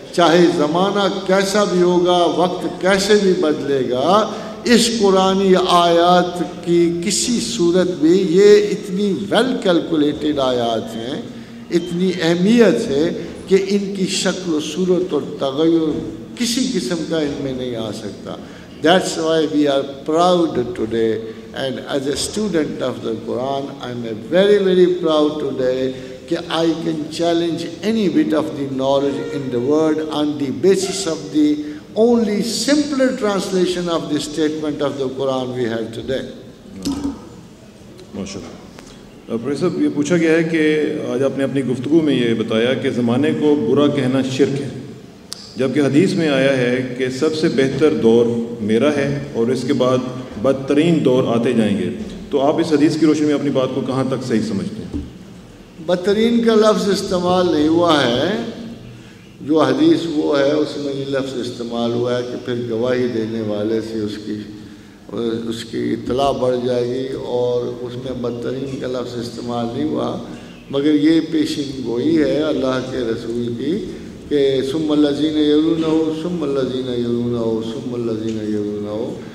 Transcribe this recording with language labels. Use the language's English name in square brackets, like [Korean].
[Urdu] چاہے زمانہ کیسا بھی ہوگا, وقت کیسے بھی بدلے گا, اس قرآنی آیات کی کسی صورت میں, یہ اتنی ویل کیلکولیٹڈ آیات ہیں, اتنی اہمیت ہے کہ ان کی شکل و صورت اور تغیر کسی قسم کا ان میں نہیں آ سکتا. [English] That's why we are proud today. And as a student of the Quran, I'm very, very proud today that I can challenge any bit of the knowledge in the world on the basis of the only simpler translation of the statement of the Quran we have today. [Urdu] MashaAllah. Professor, ye pucha gaya hai ki aaj aapne apni guftugu mein ye bataya ki zamane ko bura kehna shirk hai, jabki hadith mein aaya hai ki sabse behtar daur mera hai aur iske baad بدترین دور آتے جائیں گے. تو آپ اس حدیث کی روشنی میں اپنی بات کو کہاں تک صحیح سمجھتے ہیں؟ بدترین کا لفظ استعمال نہیں ہوا ہے, جو حدیث وہ ہے اس میں یہ لفظ استعمال ہوا ہے کہ پھر گواہی دینے والے سے اس کی اطلاع بڑھ جائے گی, اور اس میں بدترین کا لفظ استعمال نہیں ہوا, مگر یہ پیشن گوئی ہے اللہ کے رسول کی کہ [Arabic] ثم الذین یرونہ ثم الذین یرونہ [Urdu] ثم الذین یرونہ.